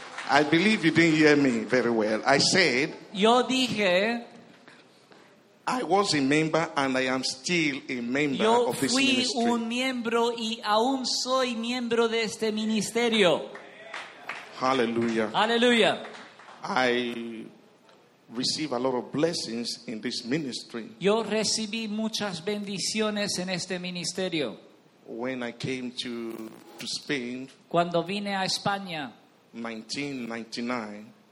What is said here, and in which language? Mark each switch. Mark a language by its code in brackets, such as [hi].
[en] I believe you didn't hear me very well. I said, [es] yo dije, [en] I was a member and I am still a member [es] yo [en] of this ministry. [es] Fui un miembro y aún soy miembro de este ministerio. [en] Hallelujah. Hallelujah. I receive a lot of blessings in this ministry. [es] Yo recibí muchas bendiciones en este ministerio. [en] When I came to Spain, [es] cuando vine a España, [en] 1999.